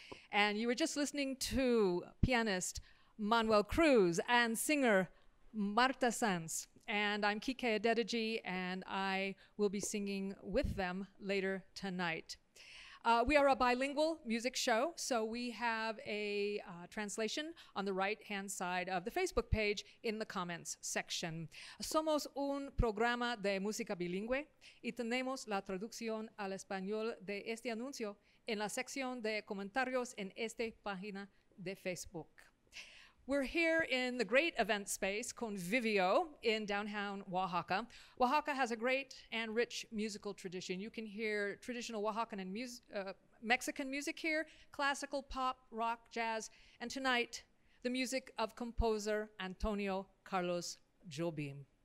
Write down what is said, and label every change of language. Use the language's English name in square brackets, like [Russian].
[English] And you were just listening to pianist Manuel Cruz and singer Marta Sáenz. And I'm Kike Adedeji, and I will be singing with them later tonight. We are a bilingual music show, so we have a translation on the right-hand side of the Facebook page in the comments section. [Spanish] Somos un programa de música bilingüe y tenemos la traducción al español de este anuncio en la sección de comentarios en esta página de Facebook. [English] We're here in the great event space, Convivio, in downtown Oaxaca. Oaxaca has a great and rich musical tradition. You can hear traditional Oaxacan and Mexican music here, classical, pop, rock, jazz, and tonight, the music of composer Antonio Carlos Jobim.